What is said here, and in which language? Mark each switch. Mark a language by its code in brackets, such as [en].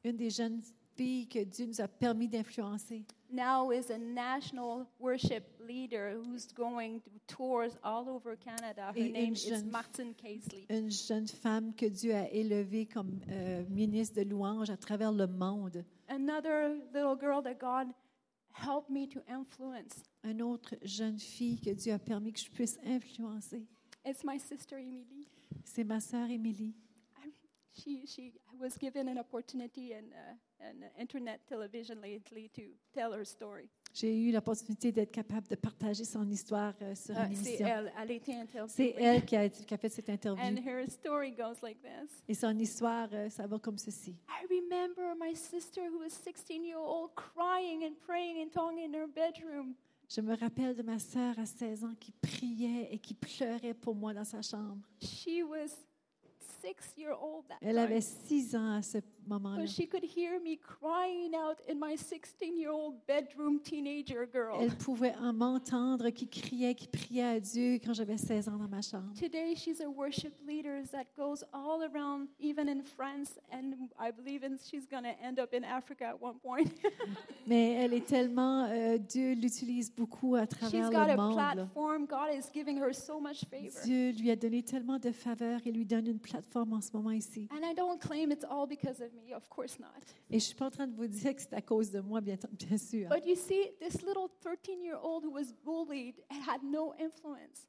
[fr] Une des jeunes filles que Dieu nous a permis d'influencer. [en] Now is a national worship leader who's going to tours all over Canada. Her name is Martin Casely. [fr] Une jeune femme que Dieu a élevée comme ministre de louange à travers le monde. [en] Another little girl that God helped me to influence. [fr] Une autre jeune fille que Dieu a permis que je puisse influencer. [en] It's my sister Emily. [fr] C'est ma sœur Emily. [en] She was given an opportunity and an internet television lately to tell her story. [fr] J'ai eu l'opportunité d'être capable de partager son histoire sur une émission. C'est elle qui a fait cette interview. [en] And her story goes like this. [fr] Et son histoire ça va comme ceci. [en] I remember my sister who was 16 years old crying and praying in tongues in her bedroom. [fr] Je me rappelle de ma sœur à 16 ans qui priait et qui pleurait pour moi dans sa chambre. [en] She was 6 years old that [fr] elle avait 6 ans à ce moment-là. [en] But she could hear me crying out in my 16-year-old bedroom teenager girl. [fr] Elle pouvait m'entendre qui criait, qui priait à Dieu quand j'avais 16 ans dans ma chambre. [en] Today she's a worship leader that goes all around, even in France, and I believe she's going to end up in Africa at one point. [fr] Mais elle est tellement Dieu l'utilise beaucoup à travers le monde. [en] She's got a platform. God is giving her so much favor. [fr] Dieu lui a donné tellement de faveur et lui donne une plateforme en ce moment ici. [en] And I don't claim it's all because of me, of course not. [fr] Et je suis pas en train de vous dire que c'est à cause de moi, bien sûr. [en] But you see, this little 13-year-old who was bullied and had no influence.